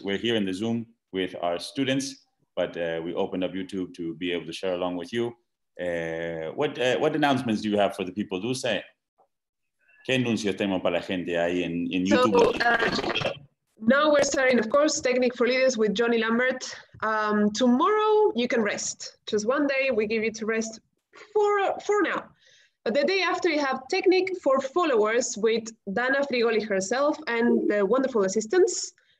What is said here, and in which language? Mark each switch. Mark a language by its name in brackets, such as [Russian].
[English] We're here in the Zoom with our students, but we opened up YouTube to be able to share along with you. What announcements do you have for the people, Dulce? [Spanish] ¿Qué anuncios tenemos para la gente ahí en YouTube? [English] Now we're starting, of course, Technique for Leaders with Jonny Lambert. Tomorrow you can rest. Just one day we give you to rest for now. But the day after you have Technique for Followers with Dana Frigoli herself and the wonderful assistants.